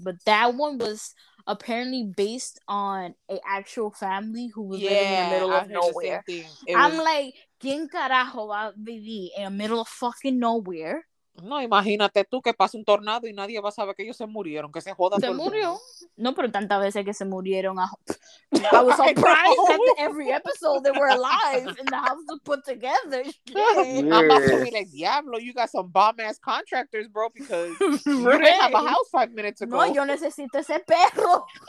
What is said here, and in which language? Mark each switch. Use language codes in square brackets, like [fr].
[en] But that one was apparently based on an actual family who was living in the middle of nowhere. [es] ¿Quién carajo va a vivir [en] in the middle of fucking nowhere? [es] No, imagínate tú que pasa un tornado y nadie va a saber que ellos se murieron, que se jodan. Se murió. No, pero tantas veces que se murieron. [en] I was surprised that every episode they were alive and the house was put together. Yeah. I'm about to be like, diablo, you got some bomb-ass contractors, bro, because you didn't have a house 5 minutes ago. [es] No, yo necesito ese perro.